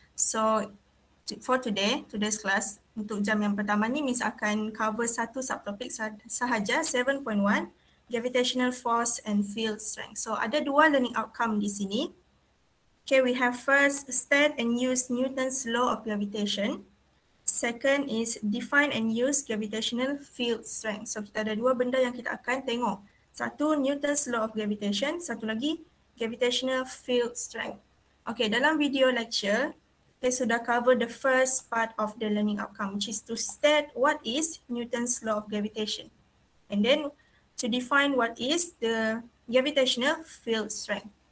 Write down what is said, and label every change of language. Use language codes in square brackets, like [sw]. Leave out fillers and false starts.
[en] So for today, today's class, [ms] untuk jam yang pertama ni, Miss akan cover satu subtopik sahaja, 7.1, [en] gravitational force and field strength. [ms] So ada dua learning outcome di sini. [en] Okay, we have first, state and use Newton's law of gravitation. Second is define and use gravitational field strength. [ms] So kita ada dua benda yang kita akan tengok. Satu Newton's law of gravitation, satu lagi gravitational field strength. [en] Okay, [ms] dalam video lecture, kita sudah cover [en] the first part of the learning outcome, which is to state what is Newton's law of gravitation. And then to define what is the gravitational field strength.